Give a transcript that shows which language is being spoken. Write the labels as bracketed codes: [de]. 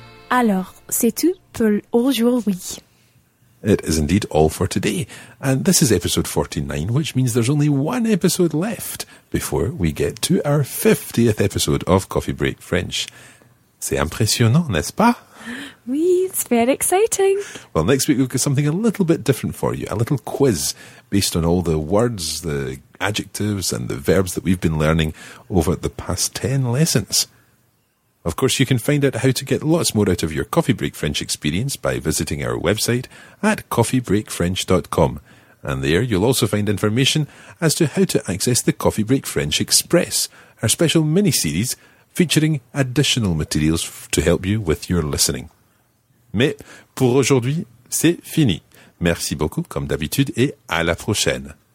[fr] Alors, c'est tout pour aujourd'hui. [en] It is indeed all for today. And this is episode 49, which means there's only one episode left before we get to our 50th episode of Coffee Break French. [fr] C'est impressionnant, n'est-ce pas? [en] Oui, it's very exciting. Well, next week we've got something a little bit different for you, a little quiz based on all the words, the adjectives and the verbs that we've been learning over the past 10 lessons. Of course, you can find out how to get lots more out of your Coffee Break French experience by visiting our website at coffeebreakfrench.com. And there you'll also find information as to how to access the Coffee Break French Express, our special mini-series featuring additional materials to help you with your listening. [fr] Mais pour aujourd'hui, c'est fini. Merci beaucoup, comme d'habitude, et à la prochaine.